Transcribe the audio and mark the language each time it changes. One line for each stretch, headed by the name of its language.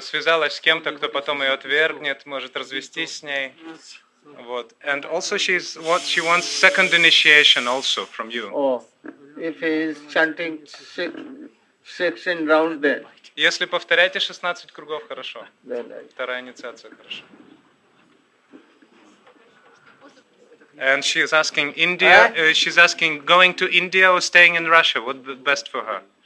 Russian: Связалась с кем-то, кто потом ее отвергнет, может развестись с ней. Вот.
English: And also she wants second initiation also from you. Oh, if he is chanting 16 rounds then.
Russian: Если повторяете 16 кругов, хорошо. Вторая инициация, хорошо.
English: And she is asking India, she's asking going to India or staying in Russia, what would be best for her?